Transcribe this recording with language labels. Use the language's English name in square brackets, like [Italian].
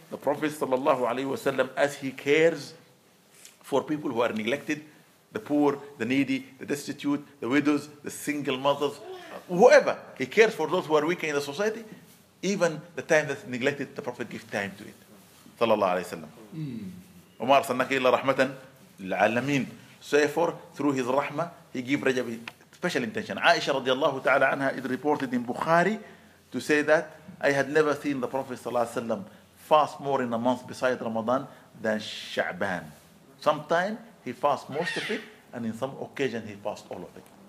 [English] The Prophet ﷺ, as he cares for people who are neglected, the poor, the needy, the destitute, the widows, the single mothers, whoever. He cares for those who are weaker in the society. Even the time that's neglected, the Prophet gives time to it. Sallallahu alayhi wa sallam. [Arabic] وما أرسلناك إلا رحمة للعالمين. [English] Say for through his rahma, he gave Rajab special intention. Aisha radiallahu ta'ala anha is reported in Bukhari to say that I had never seen the Prophet sallallahu alayhi wa sallam fast more in a month beside Ramadan than Sha'ban. Sometime he fast most of it, and in some occasion he fast all of it.